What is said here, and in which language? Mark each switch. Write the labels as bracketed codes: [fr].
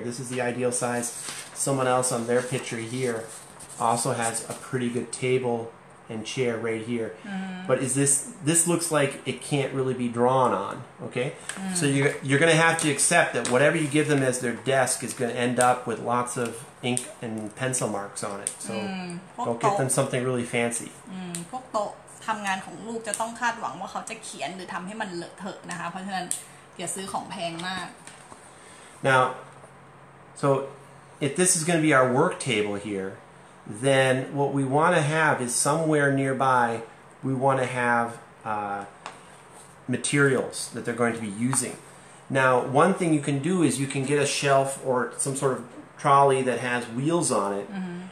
[en] This is the ideal size. Someone else on their picture here also has a pretty good table and chair right here. Mm-hmm. But is this looks like it can't really be drawn on, okay? Mm-hmm. So you're going to have to accept that whatever you give them as their desk is going to end up with lots of ink and pencil marks on it. So mm-hmm. don't get them something really fancy. Mm-hmm. [th] พวกโต๊ะทํางานของลูกจะต้องคาดหวังว่าเขาจะเขียนหรือทําให้มันเลอะเทอะนะคะเพราะฉะนั้นอย่าซื้อของแพงมาก [en] Now so if this is going to be our work table here, then what we want to have is somewhere nearby, we want to have materials that they're going to be using. Now, one thing you can do is you can get a shelf or some sort of trolley that has wheels on it, mm-hmm.